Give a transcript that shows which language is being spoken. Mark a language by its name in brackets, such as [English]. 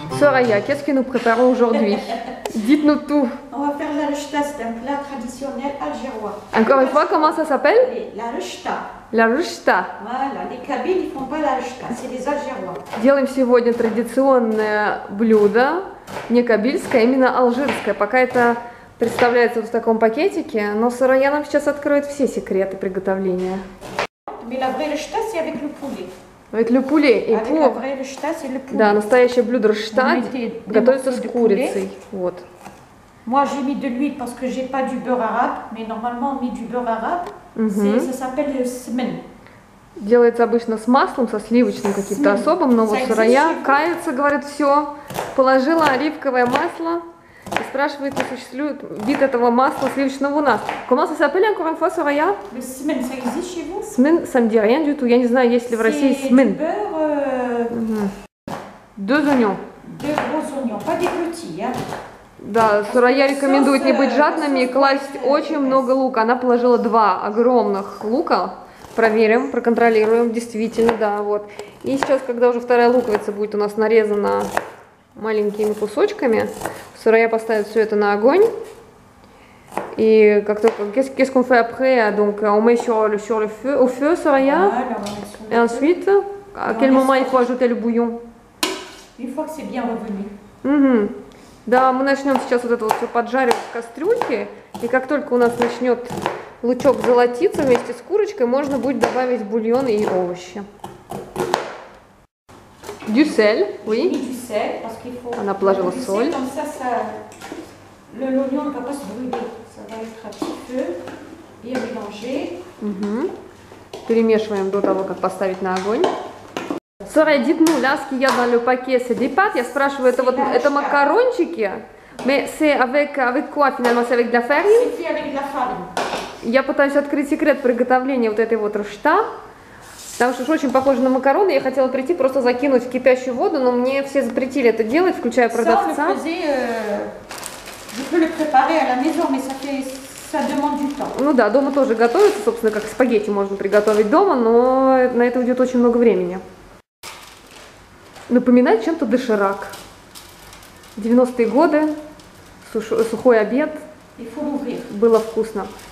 [French] paella, qu'est-ce que nous préparons aujourd'hui? Dites-nous tout. On va faire la rechta, c'est un plat traditionnel algérois. Encore une fois, comment ça s'appelle? La rechta. La rechta. Voilà, les Kabyles ne font pas la rechta, c'est les Algérois. [Russian] Делаем сегодня традиционное блюдо, не кабильское, именно алжирское. Пока это представляется вот в таком пакетике, но Сарая нам сейчас откроет все секреты приготовления. [French] Mais la vraie rechta, c'est avec le poulet. Avec le poulet. Avec la vraie rechta, c'est le poulet. [Russian] Да, настоящее блюдо рechta готовится с курицей. Вот. [French] Moi, j'ai mis de l'huile parce que j'ai pas du beurre arabe, mais normalement, on met du beurre arabe. Mm-hmm. Ça s'appelle le semen. [Russian] Делается обычно с маслом, со сливочным каким-то особым, но вот Сарая кается, говорит, все, положила оливковое масло и спрашивает, существует вид этого масла сливочного у нас. [French] Comment ça s'appelle encore une fois, Сарая? Le semen, ça existe chez vous? Semen, ça me dit rien du tout, [Russian] я не знаю, есть ли в России [French] semen. C'est du beurre... Deux oignons. Deux gros oignons, pas des petits, hein? [Russian] Да, Сарая рекомендует не быть жадными и класть очень много лука. Она положила два огромных лука. Проверим, проконтролируем, действительно, да, вот. И сейчас, когда уже вторая луковица будет у нас нарезана маленькими кусочками, Сарая поставит все это на огонь. И как только... [French] Qu'est-ce qu'on fait après? Donc, on met sur le feu, au feu, Сарая? Et ensuite, à quel moment il faut ajouter le bouillon? Une fois que c'est bien revenu. [Russian] Да, мы начнем сейчас вот это вот все поджаривать в кастрюльке, и как только у нас начнет лучок золотиться вместе с курочкой, можно будет добавить бульон и овощи. [French] Du sel, oui. J'ai mis du sel, parce qu'il faut... [Russian] Она положила [French] du [Russian] соль. [French] Sel, comme ça, ça... Le l'oignon ne va pas se brûler. Ça va être un petit peu bien mélangé. [Russian] Перемешиваем до того, как поставить на огонь. Сарая, дитну, ляски я дали паке садипат. Я спрашиваю, это вот это макарончики? [French] Mais c'est avec, avec quoi finalement? C'est avec de la farine? C'est avec de la farine. [Russian] Я пытаюсь открыть секрет приготовления вот этой вот рechta. Потому что очень похоже на макароны. Я хотела прийти просто закинуть в кипящую воду, но мне все запретили это делать, включая продавца. [French] Ça, on le faisait, je peux le préparer à la maison, mais ça fait... Ça demande du temps. [Russian] Ну да, дома тоже готовится, собственно, как спагетти можно приготовить дома, но на это уйдет очень много времени. Напоминает чем-то доширак. 90-е годы, сухой обед. Было вкусно.